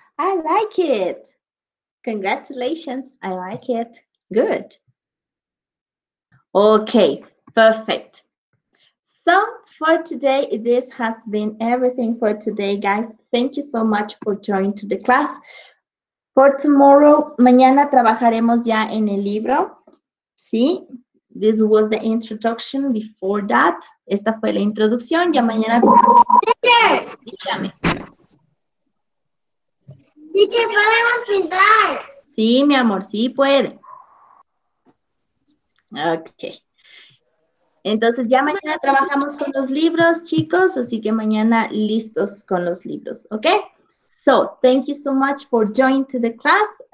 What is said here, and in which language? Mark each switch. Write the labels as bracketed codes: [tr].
[en] I like it. Congratulations. I like it. Good. Okay, perfect. So for today, this has been everything for today, guys. Thank you so much for joining to the class. For tomorrow, [es] mañana trabajaremos ya en el libro. ¿Sí? [en] This was the introduction before that. [es] Esta fue la introducción. Ya mañana. [en] Teacher. [es] Dígame. Teacher, ¿podemos pintar? Sí, mi amor, sí puede. Ok. Entonces, ya mañana trabajamos con los libros, chicos. Así que mañana listos con los libros, ¿ok? [en] So, thank you so much for joining to the class.